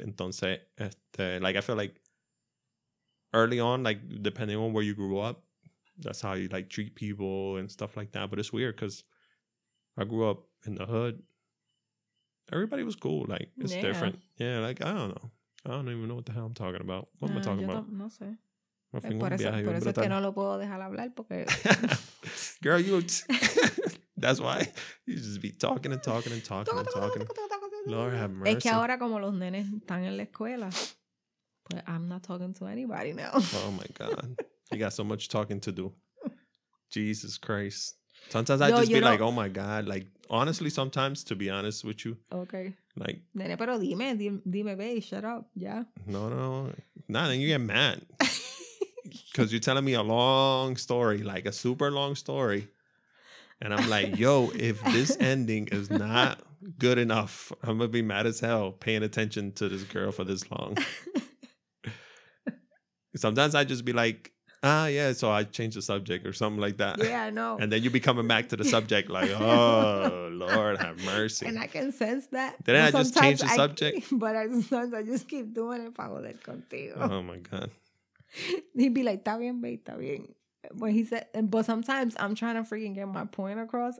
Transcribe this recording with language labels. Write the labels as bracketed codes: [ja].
[es] Entonces, [en] like, I feel like early on, like, depending on where you grew up, that's how you, like, treat people and stuff like that. But it's weird because I grew up in the hood. Everybody was cool. Like, it's different. Yeah, like, I don't know. I don't even know what the hell I'm talking about. What am I talking about? [es] No sé. Por eso es que no lo puedo dejar hablar porque... [en] Girl, you... That's why you just be talking and talking and talking and talking. Lord have mercy. [es] Es que ahora como los nenes están en la escuela, [en] but I'm not talking to anybody now. Oh, my God. You got so much talking to do. Jesus Christ. Sometimes I like, oh, my God. Like, honestly, sometimes, to be honest with you. Okay. Like, [es] nene, pero dime, [en] baby, shut up, yeah. No. Nah, then you get mad. Because you're telling me a long story, like a super long story. And I'm like, yo, if this ending is not good enough, I'm going to be mad as hell paying attention to this girl for this long. Sometimes I just be like, ah, yeah, so I change the subject or something like that. Yeah, I know. And then you be coming back to the subject like, oh, Lord, have mercy. And I can sense that. Then I just change the subject. But sometimes I just keep doing it [es] para poder contigo. [en] Oh, my God. He'd be like, [es] está bien, babe, está bien. [en] When he said, but sometimes I'm trying to freaking get my point across.